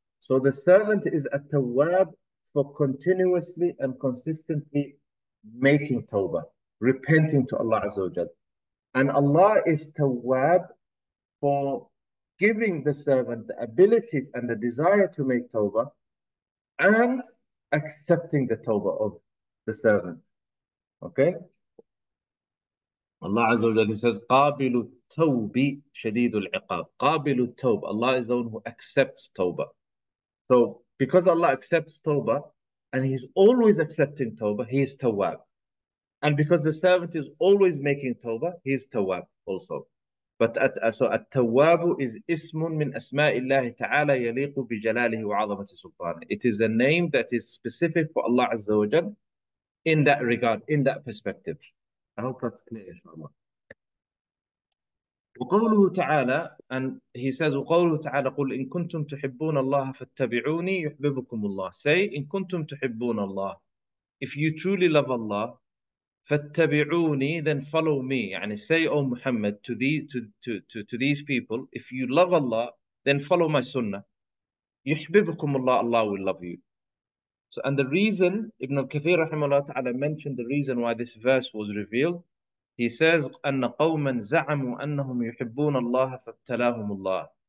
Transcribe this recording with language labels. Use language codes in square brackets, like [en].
[en] So the servant is التواب for continuously and consistently making tawbah, repenting to Allah Azza wa Jal. And Allah is tawab for giving the servant the ability and the desire to make tawbah and accepting the tawbah of the servant. Okay? Allah Azza wa Jal, he says, [ar] قابل التوب شديد العقاب. قابل التوب. [en] Allah is the one who accepts tawbah. So because Allah accepts tawbah and he's always accepting tawbah, he is tawab. And because the servant is always making tawbah, he is tawab also. But at, so [ar] التواب is اسم من أسماء الله تعالى يليق بجلاله وعظمة سلطانه. [en] It is a name that is specific for Allah عز وجل in that regard, in that perspective. I hope that's clear, inshallah. [ar] وقوله تعالى, [en] and he says, [ar] وقوله تعالى, قل إن كنتم تحبون الله فاتبعوني يحببكم الله. [en] Say, [ar] إن كنتم تحبون الله. [en] If you truly love Allah, فاتبعوني, then follow me. يعني say, O Muhammad, to these people, if you love Allah, then follow my sunnah. [ar] يحببكم الله, [en] Allah will love you. So, and the reason, Ibn al-Kathir [ar] رحمه الله تعالى [en] mentioned the reason why this verse was revealed. He says, [ar] أن قوما زعموا أنهم يحبون الله فابتلاهم الله.